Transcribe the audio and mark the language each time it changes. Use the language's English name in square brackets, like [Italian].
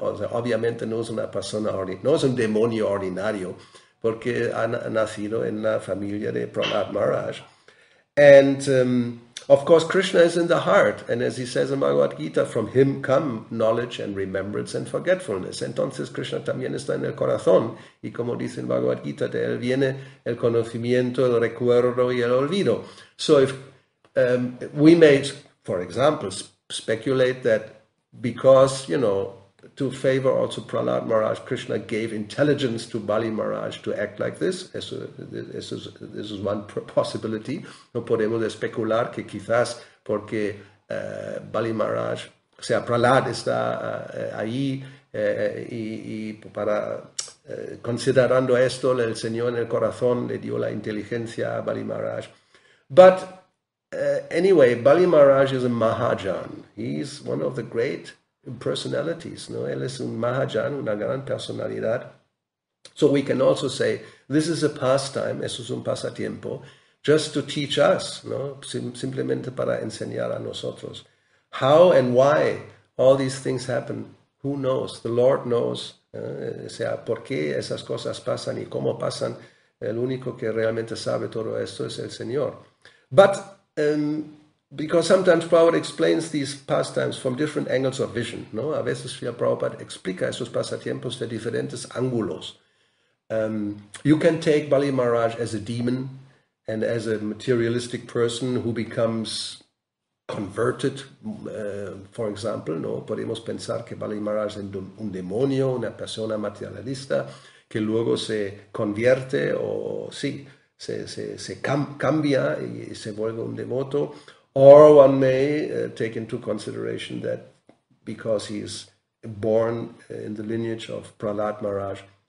[Spanish] O sea, obviamente no es una persona, no es un demonio ordinario, porque ha nacido en la familia de Prahlad Maharaj. [English] And, of course, Krishna is in the heart, and as he says in Bhagavad Gita, from him come knowledge and remembrance and forgetfulness. [Spanish] Entonces, Krishna también está en el corazón, y como dice en Bhagavad Gita, de él viene el conocimiento, el recuerdo y el olvido. [English] So if we may, for example, speculate that because, you know, to favor also Prahlad Maharaj, Krishna gave intelligence to Bali Maharaj to act like this. This is one possibility. [Spanish] No podemos especular que quizás porque Bali Maharaj, o sea, Prahlad está ahí y para considerando esto, el Señor en el corazón le dio la inteligencia a Bali Maharaj. [English] But anyway, Bali Maharaj is a Mahajan. He's one of the great personalities, no? [Spanish] Él es un Mahajan, una gran personalidad. [English] So we can also say, this is a pastime, [Spanish] eso es un pasatiempo, [English] just to teach us, no? [Spanish] Simplemente para enseñar a nosotros. [English] How and why all these things happen, who knows? The Lord knows, [Spanish] o sea, por qué esas cosas pasan y cómo pasan. El único que realmente sabe todo esto es el Señor. [English] But, because sometimes Prabhupada explains these pastimes from different angles of vision, no? [Spanish] A veces Prabhupada explica esos pasatiempos de diferentes ángulos. [English] You can take Bali Maharaj as a demon and as a materialistic person who becomes converted, for example, no? [Spanish] Podemos pensar que Bali Maharaj es un demonio, una persona materialista, que luego se convierte o sí, se cambia y se vuelve un devoto. [English] Or one may take into consideration that because he is born in the lineage of Prahlad Maharaj,